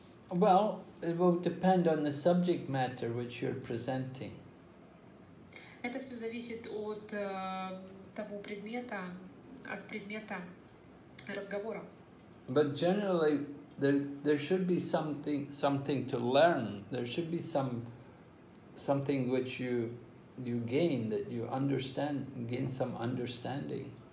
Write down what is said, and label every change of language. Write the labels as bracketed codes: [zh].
[en] Well, it will depend on the subject matter which you're presenting. [ru] Это все зависит от того предмета, от предмета разговора. [en] But generally, there should be something to learn. There should be something which you gain, that you understand, gain some understanding.